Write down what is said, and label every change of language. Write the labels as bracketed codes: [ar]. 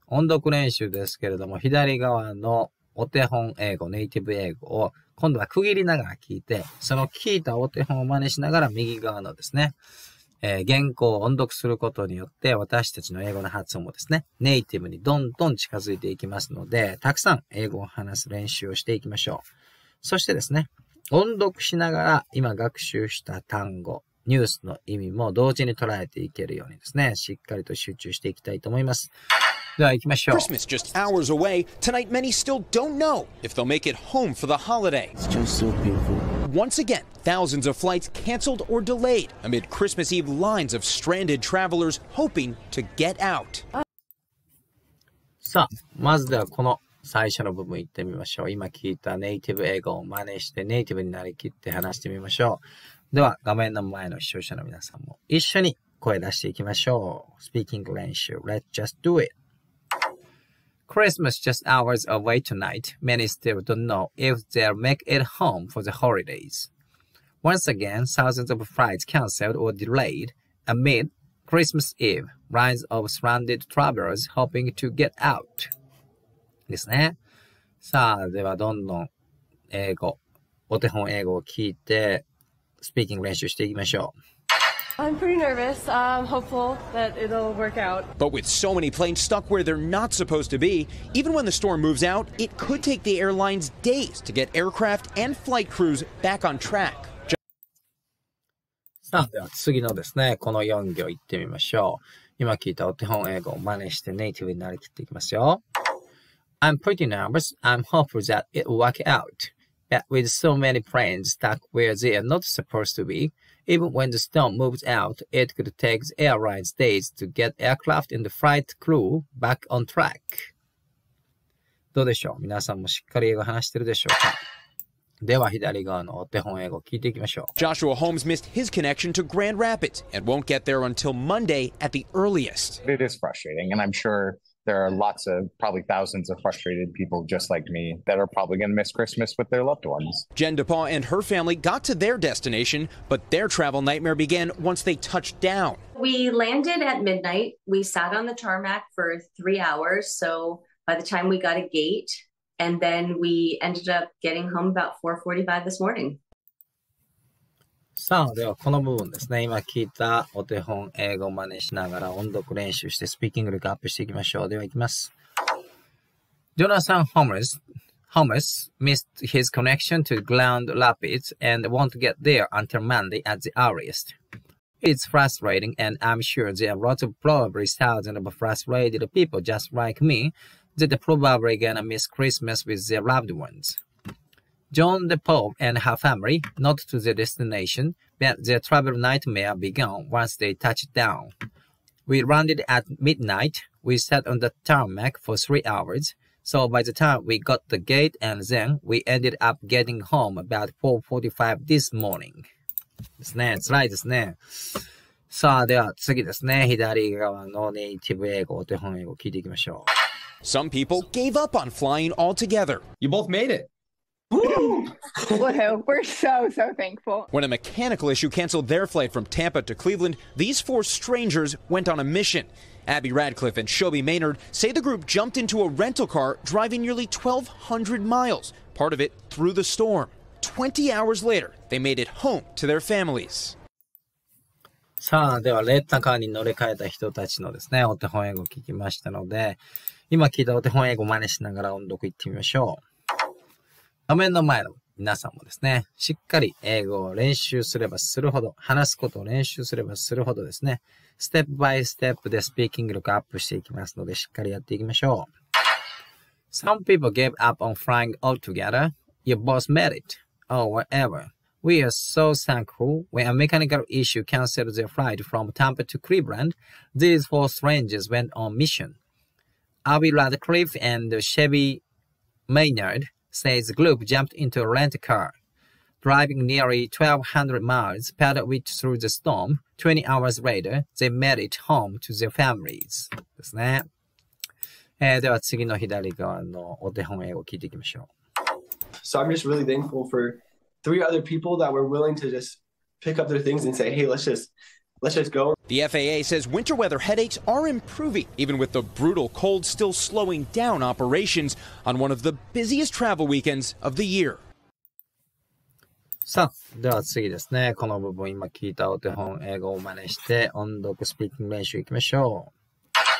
[ja] 音読練習ですけれども、左側のお手本英語、ネイティブ英語を今度は区切りながら聞いて、その聞いたお手本を真似しながら右側のですね、原稿を音読することによって私たちの英語の発音もですね、ネイティブにどんどん近づいていきますので、たくさん英語を話す練習をしていきましょう。そしてですね、音読しながら今学習した単語、ニュースの意味も同時に捉えていけるようにですね、しっかりと集中していきたいと思います。では行きましょう。 [en] Christmas just hours away. Tonight many still don't know if they'll make it home for the holiday. It's just so beautiful. Once again, thousands of flights canceled or delayed amid Christmas Eve lines of stranded travelers hoping to get out. [ja] さあ、まずではこの最初の部分行ってみましょう。今聞いたネイティブ英語を真似してネイティブになりきって話してみましょう。では画面の前の視聴者の皆さんも一緒に声出していきましょう。 [en] Speaking 練習、Let's just do it. Christmas just hours away tonight, many still don't know if they'll make it home for the holidays. Once again, thousands of flights canceled or delayed amid Christmas Eve, lines of stranded travelers hoping to get out. [ja] ですね。さあ、ではどんどん英語、お手本英語を聞いて、スピーキング練習していきましょう。 [en] I'm pretty nervous. I'm hopeful that it'll work out. But with so many planes stuck where they're not supposed to be, even when the storm moves out, it could take the airlines days to get aircraft and flight crews back on track. [ja] さあ、では次のですね、この4行行ってみましょう。今聞いたお手本英語を真似してネイティブになりきっていきますよ。 [en] I'm pretty nervous. I'm hopeful that it will work out. But with so many planes stuck where they are not supposed to be, even when the storm moves out, it could take airlines days to get aircraft and the flight crew back on track. [ja] どうでしょう？皆さんもしっかり英語話してるでしょうか？では左側のお手本英語聞いていきましょう。 [en] Joshua Holmes missed his connection to Grand Rapids and won't get there until Monday at the earliest. It is frustrating, and I'm sure there are lots of, probably thousands of frustrated people just like me that are probably going to miss Christmas with their loved ones. Jen DePaul and her family got to their destination, but their travel nightmare began once they touched down. We landed at midnight. We sat on the tarmac for 3 hours, so by the time we got a gate... And then we ended up getting home about 4:45 this morning. [ja] さあ、ではこの部分ですね。今聞いたお手本英語を真似しながら音読練習してスピーキング力アップしていきましょう。では行きます。 [en] Jonathan Holmes missed his connection to Grand Rapids and won't get there until Monday at the earliest. It's frustrating, and I'm sure there are lots of probably thousands of frustrated people just like me. That they're probably gonna miss Christmas with their loved ones. Joan DePaul and her family, not to their destination, but their travel nightmare began once they touched down. We landed at midnight. We sat on the tarmac for 3 hours. So by the time we got the gate and then we ended up getting home about 4:45 this morning. [ja] ですね、つらいですね。さあ、では次ですね。左側のネイティブ英語、お手本英語聞いていきましょう。 [en] Some people gave up on flying altogether. You both made it. Woo! We're so, so thankful. When a mechanical issue canceled their flight from Tampa to Cleveland, these four strangers went on a mission. Abby Radcliffe and Shobi Maynard say the group jumped into a rental car driving nearly 1,200 miles, part of it through the storm. 20 hours later, they made it home to their families. [ja] さあ、では、レッタカーに乗り換えた人たちのですね、お手本英語を聞きましたので、今聞いたお手本英語を真似しながら音読行ってみましょう。画面の前の皆さんもですね、しっかり英語を練習すればするほど、話すことを練習すればするほどですね、ステップバイステップでスピーキング力アップしていきますので、しっかりやっていきましょう。 [en] Some people gave up on flying altogether. You both made it. Or whatever. We are so thankful when a mechanical issue canceled their flight from Tampa to Cleveland, these four strangers went on mission. Abby Radcliffe and Shelby Maynard say the group jumped into a rent car, driving nearly 1,200 miles, part of which through the storm. 20 hours later, they made it home to their families. [ja] ですね。では次の左側のお手本英語を聞いていきましょう。 [en] So I'm just really thankful for... Three other people that were willing to just pick up their things and say, hey, let's just go. The FAA says winter weather headaches are improving, even with the brutal cold still slowing down operations on one of the busiest travel weekends of the year. [ja] さあ、では次ですね。この部分今聞いたお手本英語を真似して音読スピーキング練習行きましょう。